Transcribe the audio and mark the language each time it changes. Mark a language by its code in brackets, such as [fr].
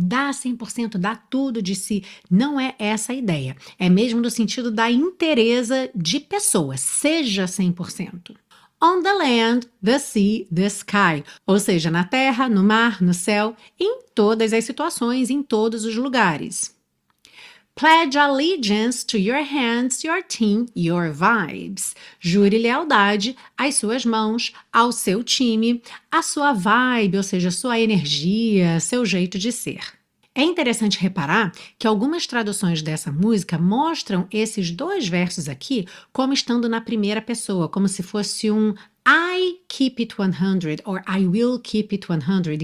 [pt] Dá 100%, dá tudo de si, não é essa a ideia. É mesmo no sentido da inteireza de pessoa, seja 100%. [en] On the land, the sea, the sky. [pt] Ou seja, na terra, no mar, no céu, em todas as situações, em todos os lugares. [en] Pledge allegiance to your hands, your team, your vibes. [pt] Jure lealdade às suas mãos, ao seu time, à sua vibe, ou seja, sua energia, seu jeito de ser. É interessante reparar que algumas traduções dessa música mostram esses dois versos aqui como estando na primeira pessoa, como se fosse um [en] I keep it 100 [pt] or I will keep it 100.